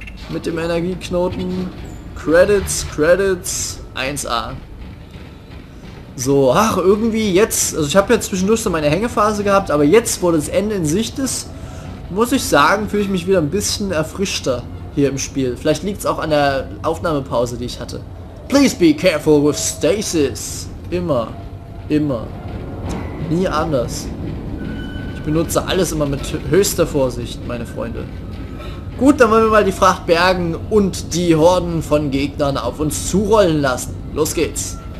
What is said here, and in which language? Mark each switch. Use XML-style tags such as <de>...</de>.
<de>Mit dem Energieknoten. Credits, Credits. 1A. So, ach, irgendwie jetzt... Also ich habe jetzt zwischendurch so meine Hängephase gehabt, aber jetzt, wo das Ende in Sicht ist, muss ich sagen, fühle ich mich wieder ein bisschen erfrischter hier im Spiel. Vielleicht liegt es auch an der Aufnahmepause, die ich hatte.</de> <en>Please be careful with stasis.</en> <de>Immer. Immer. Nie anders. Ich benutze alles immer mit höchster Vorsicht, meine Freunde. Gut, dann wollen wir mal die Fracht bergen und die Horden von Gegnern auf uns zurollen lassen. Los geht's.</de>